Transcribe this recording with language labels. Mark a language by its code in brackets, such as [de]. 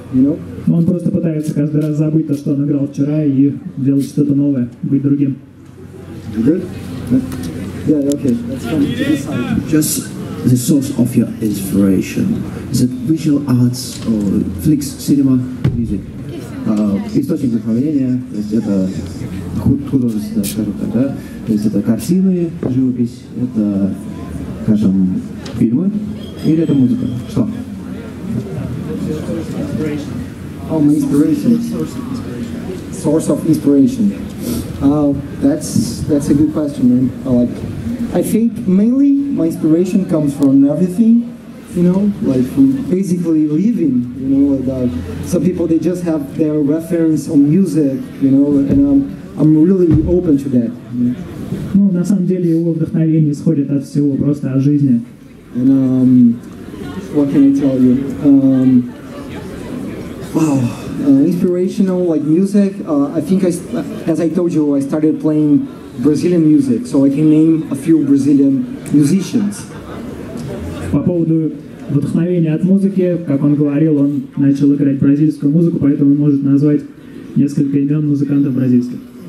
[en] You know. [ru] Он просто пытается каждый раз забыть то, что он играл вчера, и делать что-то новое, быть другим. [en] Good. Yeah. Okay. Let's come to the side. Just. The source of your inspiration, is it visual arts or flicks, cinema, music? [ru] Источник вдохновения, то есть это художественное, скажем так, да? То есть это картины, живопись, это, скажем, фильмы или это музыка? Что? [en] Oh, my inspiration. Source of inspiration. That's a good question, man. I think mainly my inspiration comes from everything, you know, like from basically living, you know, that some people they just have their reference on music, you know, and I'm really open to that. [ru] Ну, на самом деле его вдохновение исходит от всего, просто от жизни. [en] And what can I tell you? Wow, inspirational like music. I think as I told you, I started playing Brazilian music, so I can name a few Brazilian musicians. [ru] По поводу вдохновения от музыки, как он говорил, он начал играть бразильскую музыку, поэтому он может назвать несколько имен музыкантов бразильских.